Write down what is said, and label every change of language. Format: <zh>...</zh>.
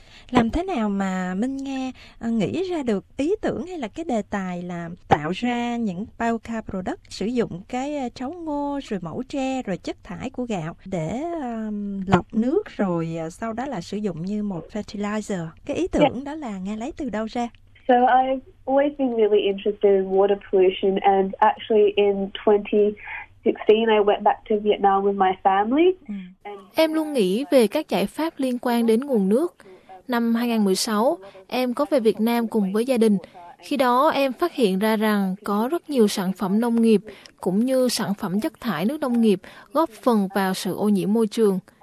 <vi>Làm thế nào mà Minh Nga nghĩ ra được ý tưởng hay là cái đề tài là tạo ra những biocar product sử dụng cái trấu ngô, rồi mẫu tre, rồi chất thải của gạo để lọc nước rồi sau đó là sử dụng như một fertilizer? Cái ý tưởng đó là Nga lấy từ đâu ra?</vi> <en>So I've always been really interested in water pollution, and actually in 2016 I went back to Vietnam with my family.</en> <vi>Em luôn nghĩ về các giải pháp liên quan đến nguồn nước. Năm 2016, em có về Việt Nam cùng với gia đình. Khi đó, em phát hiện ra rằng có rất nhiều sản phẩm nông nghiệp cũng như sản phẩm chất thải nước nông nghiệp góp phần vào sự ô nhiễm môi trường.</vi>